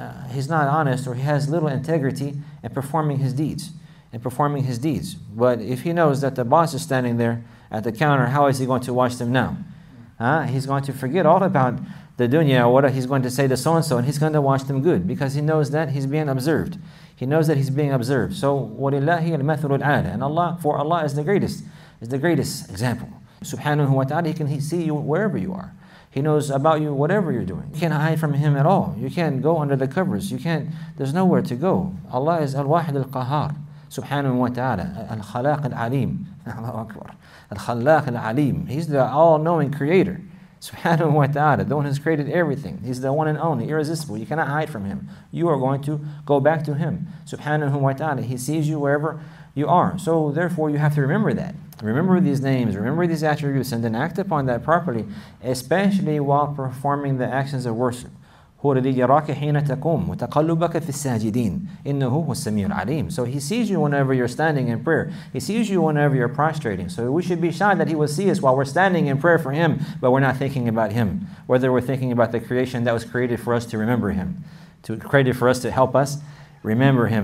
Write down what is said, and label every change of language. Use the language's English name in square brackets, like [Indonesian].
[English] he's not honest, or he has little integrity in performing his deeds. But if he knows that the boss is standing there at the counter, how is he going to watch them now? He's going to forget all about the dunya, or what he's going to say to so-and-so, and he's going to watch them good, because he knows that he's being observed. [Arabic] So, وَلِلَّهِ الْمَثَلُ الْعَالَى. [English] And Allah, for Allah is the greatest example. Subhanahu wa ta'ala, he can see you wherever you are. He knows about you, whatever you're doing. You can't hide from him at all. You can't go under the covers. There's nowhere to go. Allah is Al-Wahid Al-Qahar, Subhanahu wa ta'ala, Al-Khalaq Al-Alim, Allahu Akbar, Al-Khalaq Al-Alim. He's the all-knowing creator, Subhanahu wa ta'ala, the one who's created everything. He's the one and only, irresistible. You cannot hide from him. You are going to go back to him, Subhanahu wa ta'ala. He sees you wherever you are. So therefore, you have to remember that. Remember these names, remember these attributes, and then act upon that properly, especially while performing the actions of worship. [Arabic] هو الذي يراك حين تقوم وتقلبك في الساجدين إنه هو السميع العليم. [English] So he sees you whenever you're standing in prayer. He sees you whenever you're prostrating. So we should be shy that he will see us while we're standing in prayer for him, but we're not thinking about him. Whether we're thinking about the creation that was created for us to remember him, created for us to help us remember him.